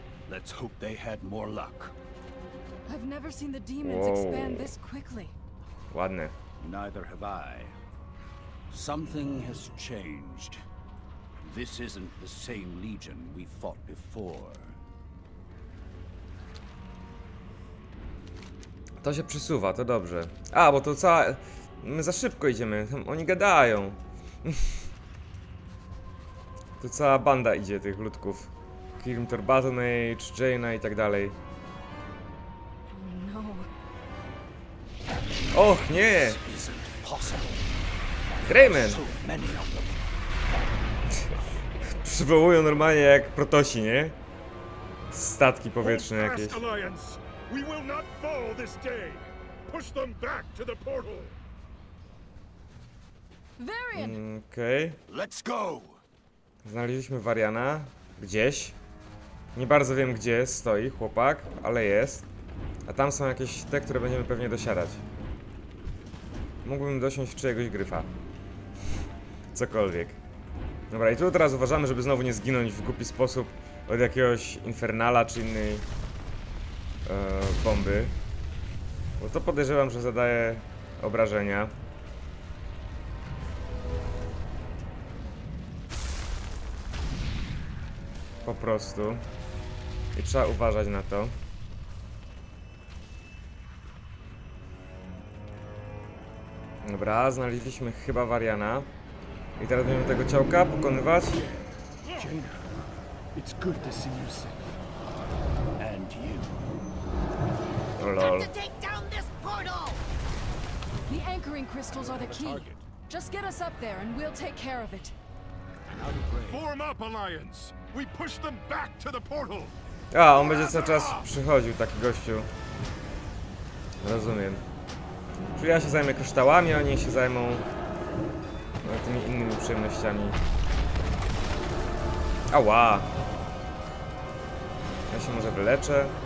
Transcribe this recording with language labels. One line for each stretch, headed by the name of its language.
English: Let's hope they had more luck. I've never seen the demons expand this quickly.
Polish: Ładne.
English: Neither have I. Something has changed. This isn't the same legion we fought before.
Polish: To się przesuwa, to dobrze. A, bo to cała... My za szybko idziemy, oni gadają. To cała banda idzie, tych ludków. Kirmtor Battle Mage, Jaina i tak dalej. Och, nie! Greyman! Przywołują normalnie jak protosi, nie? Statki powietrzne jakieś.
English: We will not fall this day. Push them back to the portal. Varian. Okay. Let's go.
Polish: Znaleźliśmy Valeriana gdzieś. Nie bardzo wiem gdzie stoi chłopak, ale jest. A tam są jakieś te, które będziemy pewnie dosiadać. Mógłbym dosiąść w czyjegoś gryfa. Cokolwiek. Dobra, i tu teraz uważamy, żeby znowu nie zginąć w głupi sposób od jakiegoś infernala czy innej bomby, bo to podejrzewam, że zadaje obrażenia. Po prostu. I trzeba uważać na to. Dobra, znaleźliśmy chyba Valeriana. I teraz będziemy tego ciałka pokonywać.
English: Jaina, it's good to see you safe. And you. Lol. The anchoring crystals are the key. Just get us up there and we'll take care of it. Form up, Alliance. We push them back to the portal.
Polish: A, on będzie cały czas przychodził, taki gościu. Rozumiem. Czyli ja się zajmę kryształami, oni się zajmą tymi innymi przyjemnościami. Ała. Ja się może wyleczę.